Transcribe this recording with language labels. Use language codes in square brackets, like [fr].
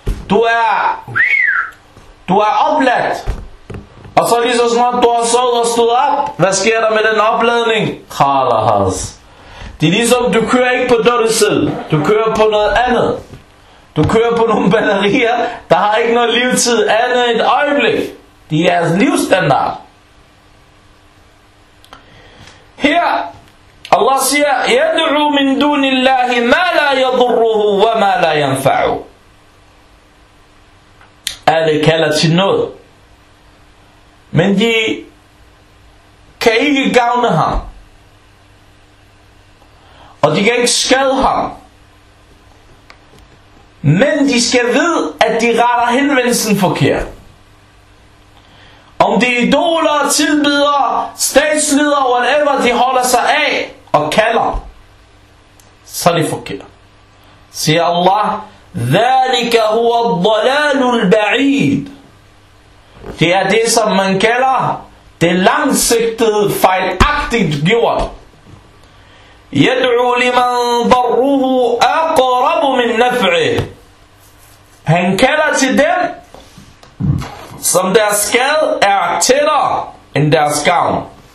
[da] Du er opladt. Og så lige så snart du har sovet og stået op, hvad sker der med den opladning? Khalas. Det er ligesom, du kører ikke på dødsel. Du kører på noget andet. Du kører på nogle batterier, der har ikke noget livstid andet end et øjeblik. Det er jeres livsstandard. Her, Allah siger, [ar] يَدْعُوا مِن دُونِ اللَّهِ مَا لَا يَضُرُّهُ وَمَا لَا يَنْفَعُ. [da] Alle kalder til noget. Men de kan ikke gavne ham. Og de kan ikke skade ham. Men de skal vide, at de retter henvendelsen forkert. Om det er idoler, tilbeder, statsledere, whatever de holder sig af og kalder, så er det forkert. Siger Allah, [ar] ذَلِكَ هُوَ الضَّلَالُ الْبَعِيدُ. [da] Det er det, som man kalder det langsigtede, fejlagtigt gjort. [ar] يَدْعُوا لِمَنْ ضَرُّهُ أَقْرَبُ مِنْ نَفْعِهِ. [da] Han kalder til dem, som deres skade er tættere end deres gavn.